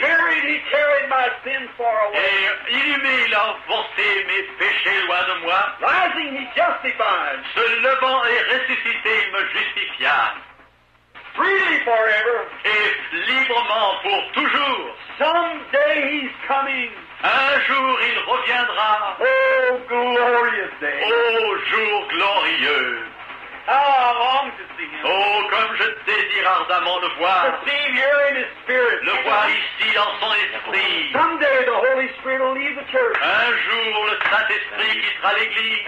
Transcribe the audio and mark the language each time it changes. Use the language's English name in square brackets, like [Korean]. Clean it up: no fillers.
[English] Buried, he carried my sin far away. [French] Et inhumé, il a emporté mes péchés loin de moi. [English] Rising, he justified. [French] Se levant et ressuscité, il me justifia. [English] Freely forever. [French] Et librement pour toujours. [English] Someday he's coming. [French] Un jour, il reviendra. [English] Oh, glorious day. [French] Oh, jour glorieux. [English] How I long to see him. [French] Oh, comme je désire ardemment le voir. [English] To see him here in his spirit. [French] Le voir ici dans son esprit. [English] Someday the Holy Spirit will leave the church. [French] Un jour, le Saint-Esprit quittera l'église.